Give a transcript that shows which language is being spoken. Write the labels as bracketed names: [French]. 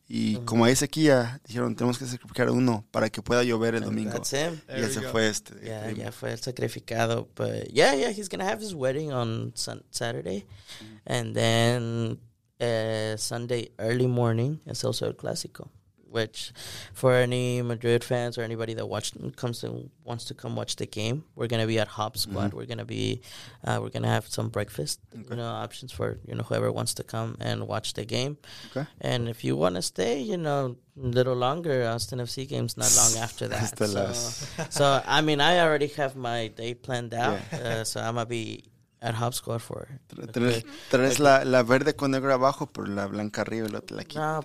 [Spanish] Y como hay sequía, dijeron, tenemos que sacrificar uno para que pueda llover el domingo. [English] That's him. [Spanish] Y ese fue este. [English] Yeah, [Spanish] Primo. Yeah, fue el sacrificado. [English] But yeah, he's going to have his wedding on Saturday. Mm-hmm. And then Sunday early morning is also el clásico. Which, for any Madrid fans or anybody that wants to come watch the game, we're gonna be at Hop Squad. Mm-hmm. We're gonna have some breakfast, okay. You know, options for you know whoever wants to come and watch the game. Okay. And if you wanna stay, you know, a little longer, Austin FC game's not long after that. That's the last. So I mean, I already have my day planned out. Yeah. So I'm gonna be at Hop Squad for. [Spanish] Tres la verde con negro abajo, por la blanca arriba, la quitas.